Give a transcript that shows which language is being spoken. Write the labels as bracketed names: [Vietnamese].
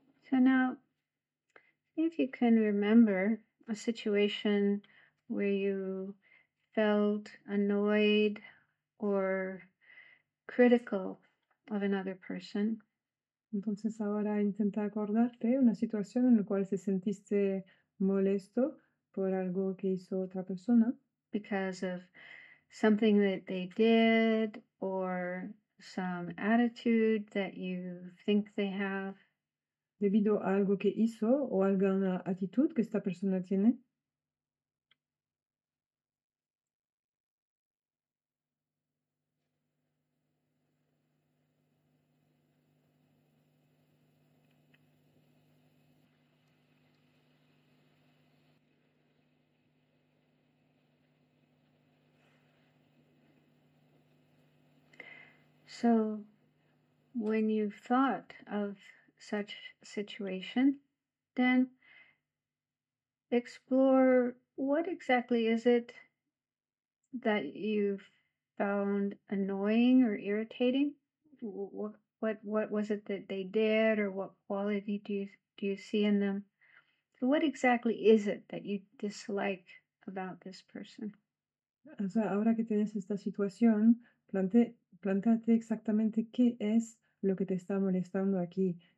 [English] So now, see if you can remember a situation where you felt annoyed or critical of another person. [Spanish] Entonces ahora intenta acordarte una situación en la cual te sentiste molesto por algo que hizo otra persona. [English] Because of something that they did or some attitude that you think they have. [Spanish] Debido a algo que hizo o alguna actitud que esta persona tiene. [English] So, when you've thought of such a situation, then explore what exactly is it that you've found annoying or irritating? What was it that they did, or what quality do you see in them? So what exactly is it that you dislike about this person? [Spanish] O sea, ahora que tienes esta situación, plantéate exactamente qué es lo que te está molestando aquí.